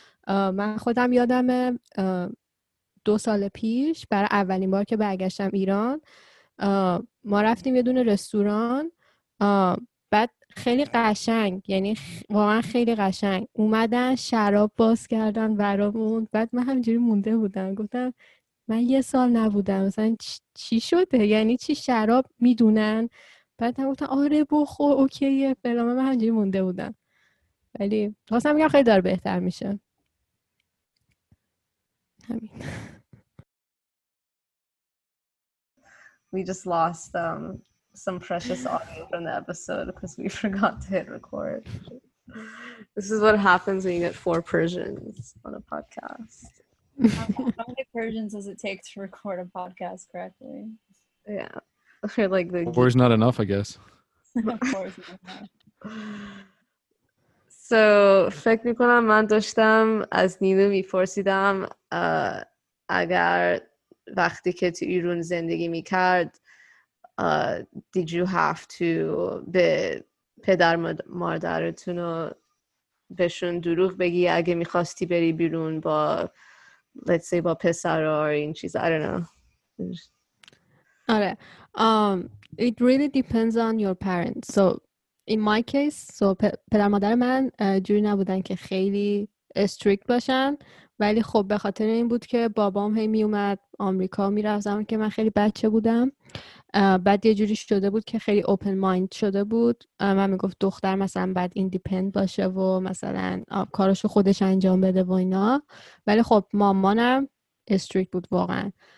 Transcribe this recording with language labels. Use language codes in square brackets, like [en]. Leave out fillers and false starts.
[fa] من خودم یادم 2 سال پیش برای اولین بار که برگشتم ایران، ما رفتیم یه دونه رستوران، بعد خیلی قشنگ، یعنی واقعا خیلی قشنگ اومدن شراب باز کردن برامون، بعد من همینجوری مونده بودم، گفتم من یه سال نبودم مثلا چی شده، یعنی چی شراب میدونن؟ بعد هم گفتم آره بخور اوکیه فلان، من همینجوری مونده بودم. ولی خواستم میگم خیلی داره بهتر میشه همین. [en] We just lost them some precious audio from the episode because we forgot to hit record. This is what happens when you get 4 Persians on a podcast. How many Persians does it take to record a podcast correctly? Yeah. Or like the 4 is not enough, I guess. 4 is not enough. [fa] So, من داشتم از نینو میپرسیدم اگر وقتی که تو ایران زندگی میکرد [en] did you have to [fa] به پدر مادرتون رو بهشون دروغ بگی اگه میخواستی بری بیرون با [en] let's say [fa] با پسر or این چیز؟ [en] I don't know. [fa] آره. [en] It really depends on your parents. So in my case, so [fa] پدر مادر من جوری نبودن که خیلی استریکت باشن، ولی خب به خاطر این بود که بابام هی می اومد آمریکا، میرفت زمانی که من خیلی بچه بودم، بعد یه جوری شده بود که خیلی اوپن مایند شده بود، من میگفت دختر مثلا بعد ایندیپند باشه و مثلا کاراشو خودش انجام بده و اینا، ولی خب مامانم استریکت بود واقعا،